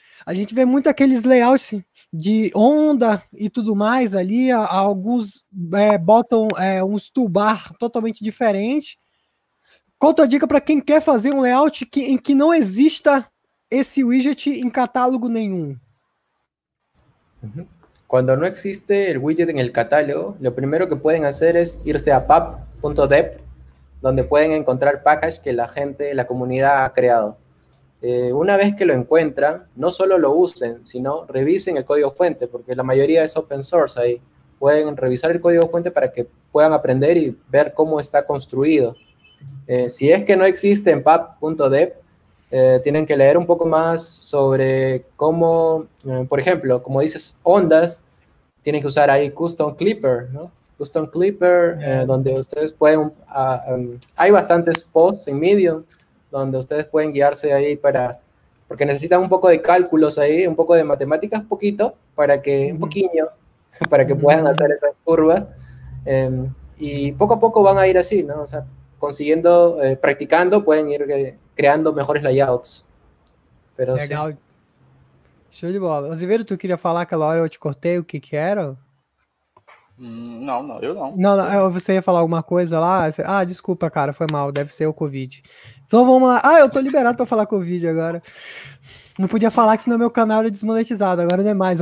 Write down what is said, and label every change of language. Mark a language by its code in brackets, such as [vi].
[pt] A gente vê muito aqueles layouts de onda e tudo mais ali, alguns botam uns toolbar totalmente diferente. Qual a tua dica para quem quer fazer um layout em que não exista esse widget em catálogo nenhum? [es] Cuando no existe el widget en el catálogo, lo primero que pueden hacer es irse a pub.dev, donde pueden encontrar packages que la gente, la comunidad ha creado. Una vez que lo encuentran, no solo lo usen, sino revisen el código fuente, porque la mayoría es open source ahí. Pueden revisar el código fuente para que puedan aprender y ver cómo está construido. Si es que no existe en pub.dev, tienen que leer un poco más sobre cómo, por ejemplo, como dices, ondas, tienen que usar ahí Custom Clipper, ¿no? Custom Clipper, donde ustedes pueden, hay bastantes posts en Medium, donde ustedes pueden guiarse ahí para, porque necesitan un poco de cálculos ahí, un poco de matemáticas, poquito, para que, un poquillo, para que puedan hacer esas curvas, y poco a poco van a ir así, ¿no? O sea, consiguiendo, practicando, pueden ir criando mejores layouts. [pt] Pero legal. Sí. Show de bola. Azevedo, tu queria falar aquela hora eu te cortei, o que que era? Não, eu não. Você ia falar alguma coisa lá? Ah, desculpa, cara, foi mal, deve ser o Covid. Então vamos lá. Ah, eu tô liberado pra falar Covid agora. Não podia falar que senão meu canal era desmonetizado, agora não é mais.